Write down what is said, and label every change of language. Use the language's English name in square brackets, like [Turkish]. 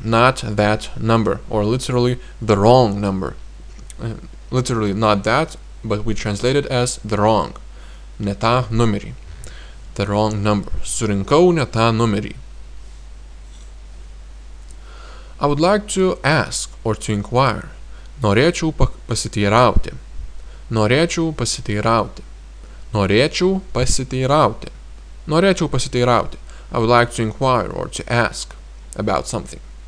[English] Not that number. Or literally, the wrong number. Literally, not that, but we translate it as the wrong. [Lithuanian] Ne tą numerį. [English] The wrong number. [Lithuanian] Surinkau ne tą numerį. [English] I would like to ask or to inquire. [Lithuanian] Norėčiau pasiteirauti. Norėčiau pasiteirauti. Norėčiau pasiteirauti. Norėčiau pasiteirauti. [English] I would like to inquire or to ask about something.